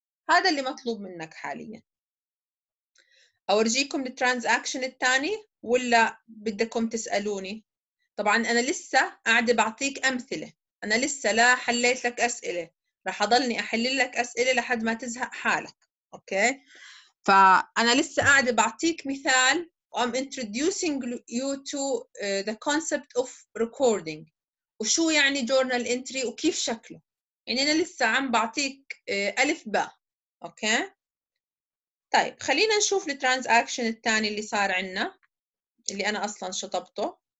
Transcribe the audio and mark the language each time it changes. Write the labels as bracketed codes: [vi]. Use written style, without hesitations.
[ar] هذا اللي مطلوب منك حالياً. أورجيكم الترانزاكشن الثاني ولا بدكم تسألوني؟ طبعاً أنا لسه قاعدة بعطيك أمثلة، أنا لسه لا حليت لك أسئلة، رح أضلني أحلل لك أسئلة لحد ما تزهق حالك، أوكي؟ فأنا لسه قاعدة بعطيك مثال. [en] I'm introducing you to the concept of recording. [ar] وشو يعني journal entry وكيف شكله؟ يعني أنا لسه عم بعطيك ألف باء، أوكي؟ طيب خلينا نشوف الترانزاكشن الثاني اللي صار عنا اللي أنا أصلاً شطبته.